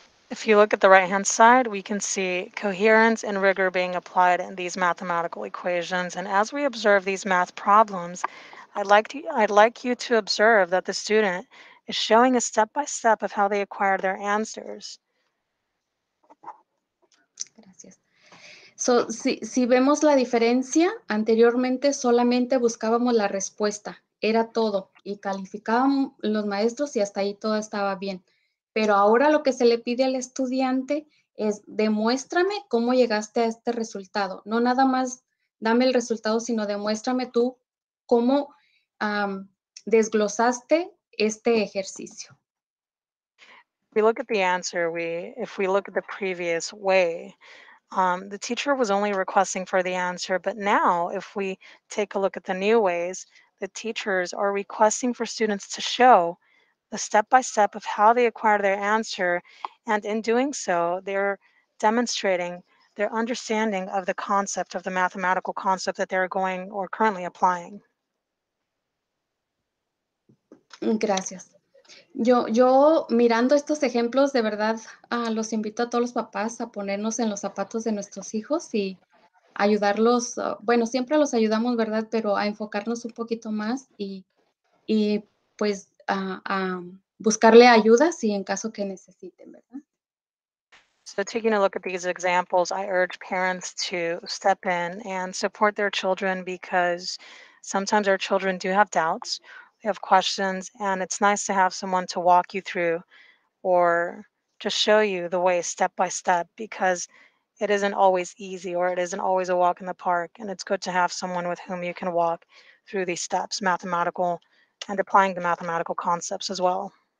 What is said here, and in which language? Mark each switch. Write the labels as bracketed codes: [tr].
[en] If you look at the right-hand side, we can see coherence and rigor being applied in these mathematical equations. And as we observe these math problems, I'd like you to observe that the student is showing a step-by-step of how they acquired their answers. So, [es] si vemos la diferencia, anteriormente solamente buscábamos la respuesta, era todo, y calificaban los maestros y hasta ahí todo estaba bien. Pero ahora lo que se le pide al estudiante es, demuéstrame cómo llegaste a este resultado. No nada más dame el resultado, sino demuéstrame tú cómo desglosaste este ejercicio. [en] If we look at the answer, if we look at the previous way, the teacher was only requesting for the answer, but now if we take a look at the new ways, the teachers are requesting for students to show the step-by-step of how they acquire their answer, and in doing so, they're demonstrating their understanding of the concept, of the mathematical concept that they're going or currently applying. [es] Gracias. Yo mirando estos ejemplos, de verdad, los invito a todos los papás a ponernos en los zapatos de nuestros hijos y ayudarlos, bueno, siempre los ayudamos, ¿verdad? Pero a enfocarnos un poquito más y pues a buscarle ayuda si en caso que necesiten, ¿verdad? [en] So taking a look at these examples, I urge parents to step in and support their children because sometimes our children do have doubts. Have questions, and it's nice to have someone to walk you through or just show you the way step by step, because it isn't always easy or it isn't always a walk in the park, and it's good to have someone with whom you can walk through these steps, mathematical and applying the mathematical concepts as well.